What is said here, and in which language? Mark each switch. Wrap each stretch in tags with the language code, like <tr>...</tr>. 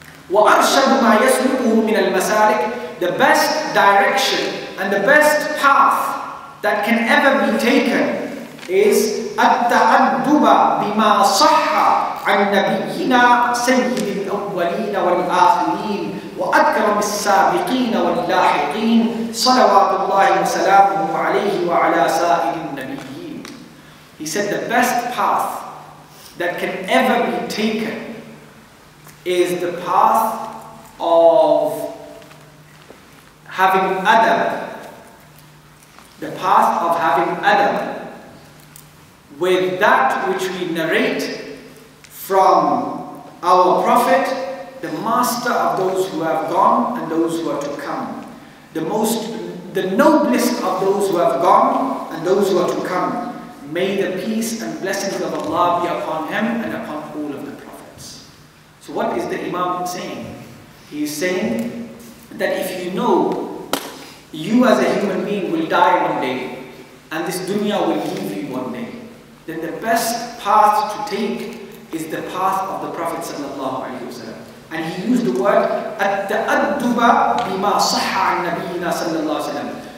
<ar>وَأَرْشَدُ مَا يَسْلُكُهُ مِنَ الْمَسَالِكِ,</ar> <en>the best direction and the best path that can ever be taken is</en> <ar>التَعَدُّبَ بِمَا صَحَّ عَنْ نَبِيِّنَا سَيِّدِ الْأَوَّلِينَ وَالْآخِرِينَ وَأَكْرَمِ السَّابِقِينَ وَاللَّاحِقِينَ صَلَوَاتُ اللَّهِ وَسَلَامُهُ عَلَيْهِ وَعَلَى سَائِرِ النَّبِيِّينَ.</ar> <en>He said the best path that can ever be taken is the path of having adab, the path of having adab with that which we narrate from our Prophet, the master of those who have gone and those who are to come, the noblest of those who have gone and those who are to come. May the peace and blessings of Allah be upon him and upon all of the prophets. So what is the Imam saying? He is saying that if you know you as a human being will die one day and this dunya will leave you one day, then the best path to take is the path of the Prophet sallallahu alaihi wasallam. And he used the word</en> <ar>التَأَدُّبَ بِمَا صَحَّ عَنْ نَبِيِّنَا صَلَّى اللَّهُ عَلَيْهِ وَسَلَّمَ.</ar>